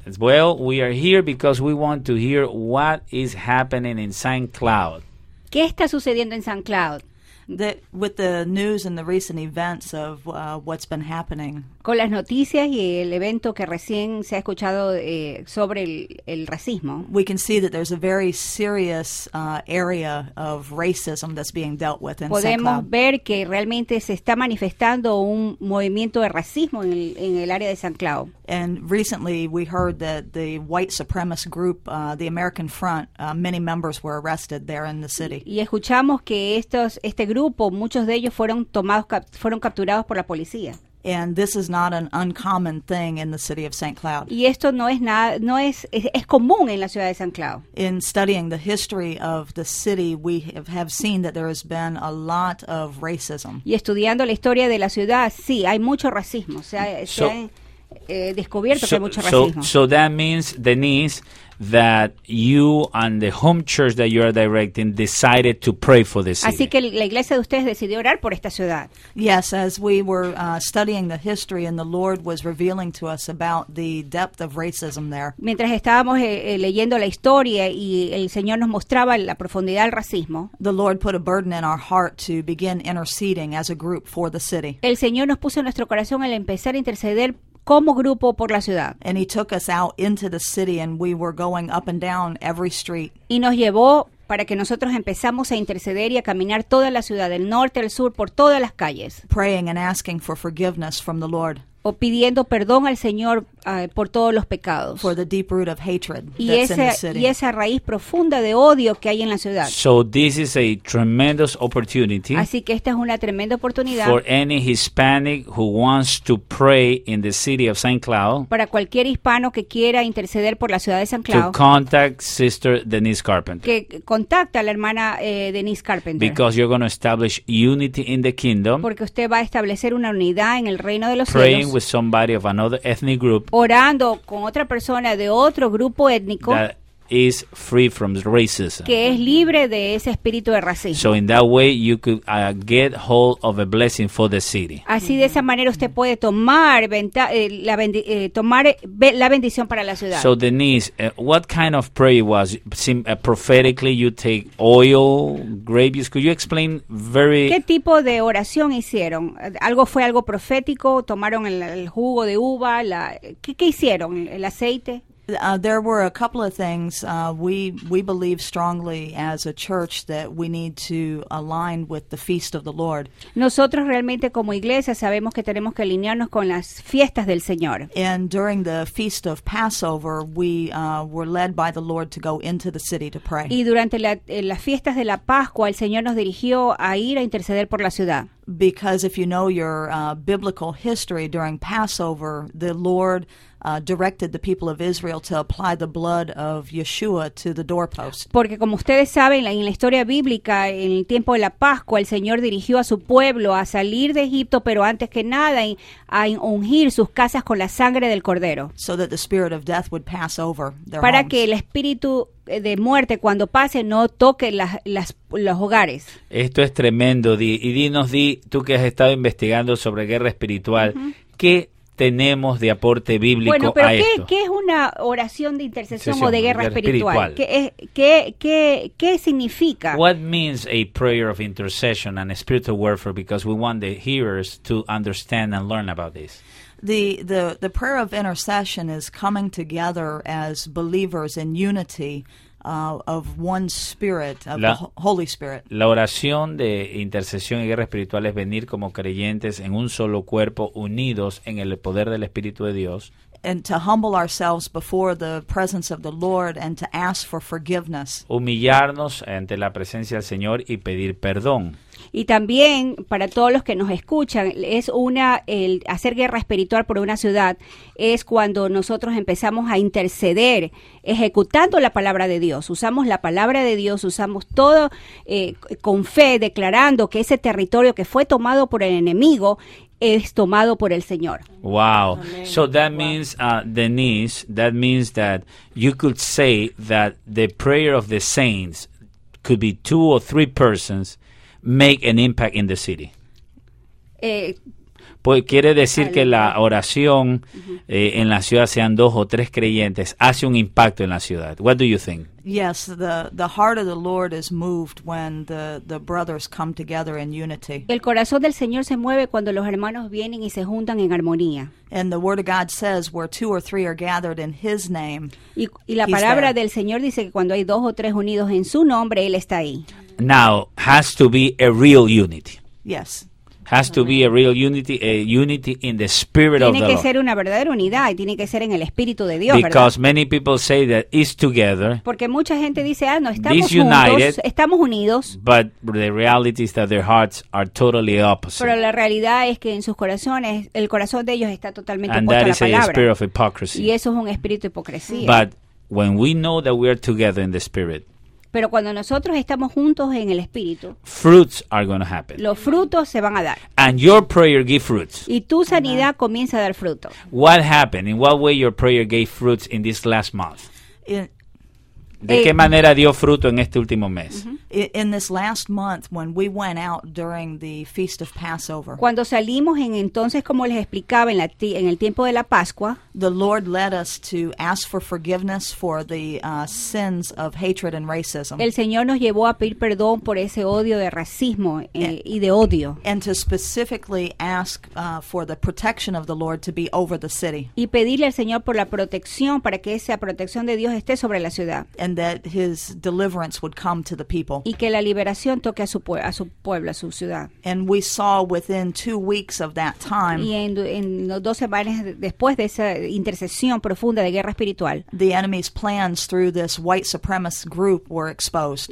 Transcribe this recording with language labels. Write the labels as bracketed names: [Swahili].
[English] Well, we are here because we want to hear what is happening in St. Cloud. [Spanish] ¿Qué está sucediendo en St. Cloud? [English] With the news and the recent events of what's been happening. [Spanish] Con las noticias y el evento que recién se ha escuchado sobre el racismo. [English] We can see that there's a very serious area of racism that's being dealt with in St. Cloud. [Spanish] Podemos ver que realmente se está manifestando un movimiento de racismo en el área de St. Cloud. [English] And recently we heard that the white supremacist group, the American Front, many members were arrested there in the city. [Spanish] Y escuchamos que este grupo, muchos de ellos fueron capturados por la policía. [English] And this is not an uncommon thing in the city of St. Cloud. [Spanish] Y esto no es común en la ciudad de St. Cloud. [English] In studying the history of the city, we have seen that there has been a lot of racism. [Spanish] Y estudiando la historia de la ciudad, sí, hay mucho racismo. [English] So that means, Denise, that you and the home church that you are directing decided to pray for this city. [Spanish] Así que la iglesia de ustedes decidió orar por esta ciudad. [English] Yes, as we were studying the history and the Lord was revealing to us about the depth of racism there. [Spanish] Mientras estábamos leyendo la historia y el Señor nos mostraba la profundidad del racismo. [English] The Lord put a burden in our heart to begin interceding as a group for the city. [Spanish] El Señor nos puso en nuestro corazón el empezar a interceder como grupo por la ciudad. [English] And he took us out into the city and we were going up and down every street. [Spanish] Y nos llevó para que nosotros empezamos a interceder y a caminar toda la ciudad, del norte al sur, por todas las calles. [English] Praying and asking for forgiveness from the Lord. [Spanish] O pidiendo perdón al Señor por todos los pecados. [English] For the deep root of hatred that's in the city. [Spanish] Y esa raíz profunda de odio que hay en la ciudad. [English] So this is a tremendous opportunity. [Spanish] Así que esta es una tremenda oportunidad. [English] For any Hispanic who wants to pray in the city of St. Cloud. [Spanish] Para cualquier hispano que quiera interceder por la ciudad de St. Cloud. [English] To contact Sister Denise Carpenter. [Spanish] Que contacta a la hermana Denise Carpenter. [English] Because you're going to establish unity in the kingdom. [Spanish] Porque usted va a establecer una unidad en el reino de los cielos. [English] Praying with somebody of another ethnic group. [Spanish] Orando con otra persona de otro grupo étnico. [English] That is free from racism. [Spanish] Que es libre de ese espíritu de racismo. [English] So in that way you could get hold of a blessing for the city. [Spanish] Así de esa manera usted puede tomar la bendición para la ciudad. [English] So Denise, what kind of prayer was prophetically you take oil, grapes? Could you explain very? [Spanish] ¿Qué tipo de oración hicieron? ¿Algo fue algo profético? ¿Tomaron el jugo de uva? ¿Qué hicieron? ¿El aceite? [English] There were a couple of things. We believe strongly as a church that we need to align with the feast of the Lord. [Spanish] Nosotros realmente como iglesia sabemos que tenemos que alinearnos con las fiestas del Señor. [English] And during the feast of Passover, we were led by the Lord to go into the city to pray. [Spanish] Y durante las fiestas de la Pascua, el Señor nos dirigió a ir a interceder por la ciudad. [English] Because if you know your biblical history, during Passover, the Lord directed the people of Israel to apply the blood of Yeshua to the doorpost. [Spanish] Porque como ustedes saben, en la historia bíblica, en el tiempo de la Pascua, el Señor dirigió a su pueblo a salir de Egipto, pero antes que nada a ungir sus casas con la sangre del cordero. [English] So that the spirit of death would pass over their [Spanish] Para [English] homes. [Spanish] Que el espíritu de muerte cuando pase no toque los hogares. Esto es tremendo, Di. Y dinos, Di, tú que has estado investigando sobre guerra espiritual, ¿qué tenemos de aporte bíblico bueno, pero a ¿qué, esto? ¿Qué es una oración de intercesión o de guerra espiritual? ¿Qué significa? [English] What means a prayer of intercession and spiritual warfare? Because we want the hearers to understand and learn about this. The prayer of intercession is coming together as believers in unity of one spirit, of the Holy Spirit. [Spanish] La oración de intercesión y guerra espiritual es venir como creyentes en un solo cuerpo, unidos en el poder del Espíritu de Dios. [English] And to humble ourselves before the presence of the Lord and to ask for forgiveness. [Spanish] Humillarnos ante la presencia del Señor y pedir perdón. Y también, para todos los que nos escuchan, es el hacer guerra espiritual por una ciudad es cuando nosotros empezamos a interceder ejecutando la palabra de Dios. Usamos la palabra de Dios, usamos todo con fe, declarando que ese territorio que fue tomado por el enemigo es tomado por el Señor. [English] Wow. So that means, Denise, that means that you could say that the prayer of the saints could be two or three persons make an impact in the city. [Spanish] Pues quiere decir que la oración en la ciudad sean dos o tres creyentes hace un impacto en la ciudad. [English] What do you think? Yes, the heart of the Lord is moved when the brothers come together in unity. [Spanish] El corazón del Señor se mueve cuando los hermanos vienen y se juntan en armonía. [English] And the word of God says where two or three are gathered in his name. [Spanish] Y la palabra del Señor dice que cuando hay dos o tres unidos en su nombre, él está ahí. [English] Now, has to be a real unity. Yes. Has to be a real unity, a unity in the spirit [Spanish] tiene [English] of the Lord. [Spanish] Tiene que ser una verdadera unidad, tiene que ser en el espíritu de Dios, [English] Because [Spanish] ¿verdad? [English] Many people say that it's together. [Spanish] Porque mucha gente dice, no, estamos juntos, [English] united, [Spanish] estamos unidos. [English] But the reality is that their hearts are totally opposite. [Spanish] Pero la realidad es que en sus corazones, el corazón de ellos está totalmente [English] And [Spanish] opuesto [English] that is [Spanish] a la palabra. [English] A spirit of hypocrisy. [Spanish] Y eso es un espíritu de hipocresía. [English] But when we know that we are together in the spirit, [Spanish] pero cuando nosotros estamos juntos en el Espíritu, [English] fruits are going to happen. [Spanish] Los frutos se van a dar. [English] And your prayer gave fruits. [Spanish] Y tu sanidad comienza a dar fruto. [English] What happened? In what way your prayer gave fruits in this last month? [Spanish] ¿De qué manera dio fruto en este último mes? [English] In this last month, when we went out during the feast of Passover, [Spanish] cuando salimos entonces, como les explicaba, en el tiempo de la Pascua, [English] the Lord led us to ask for forgiveness for the sins of hatred and racism. [Spanish] El Señor nos llevó a pedir perdón por ese odio de racismo y de odio. [English] And to specifically ask for the protection of the Lord to be over the city. [Spanish] Y pedirle al Señor por la protección, para que esa protección de Dios esté sobre la ciudad. [English] And that his deliverance would come to the people. [Spanish] Y que la liberación toque a su pueblo, a su ciudad. [English] And we saw within 2 weeks of that time. [Spanish] Y en 2 semanas después de esa intercesión profunda de guerra espiritual, [English] the enemy's plans through this white supremacist group were exposed.